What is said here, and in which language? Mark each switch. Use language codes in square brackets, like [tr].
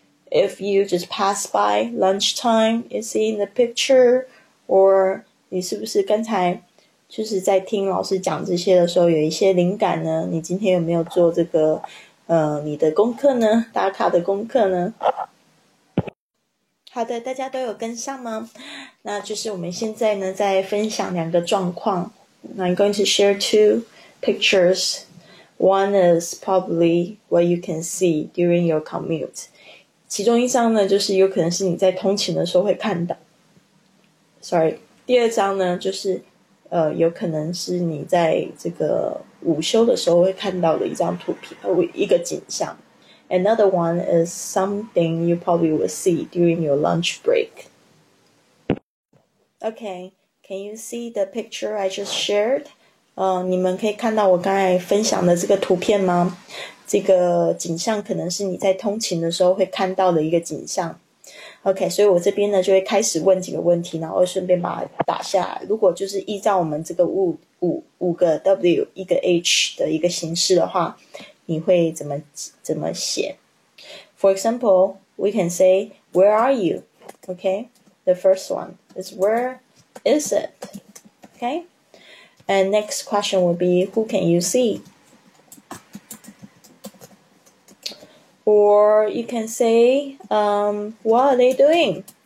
[en] If you just pass by lunchtime, you see in the picture, or [zh] 你是不是刚才就是在听老师讲这些的时候有一些灵感呢，你今天有没有做这个你的功课呢，打卡的功课呢？好的，大家都有跟上吗？那就是我们现在呢在分享两个状况。 [en] I'm going to share two pictures. One is probably what you can see during your commute. [zh] 其中一张呢，就是有可能是你在通勤的时候会看到。 Sorry，第二张呢，就是有可能是你在这个午休的时候会看到的一张图片，一个景象。 [en] Another one is something you probably will see during your lunch break. Okay, can you see the picture I just shared? [zh] 你们可以看到我刚才分享的这个图片吗？这个景象可能是你在通勤的时候会看到的一个景象。 OK，所以我这边呢就会开始问几个问题，然后顺便把它打下来。如果就是依照我们这个五个 W 一个 H 的一个形式的话，你会怎么写？ [en] For example, we can say, "Where are you?" OK, the first one is "Where is it?" OK, and next question will be, "Who can you see?" Or you can say, what are they doing?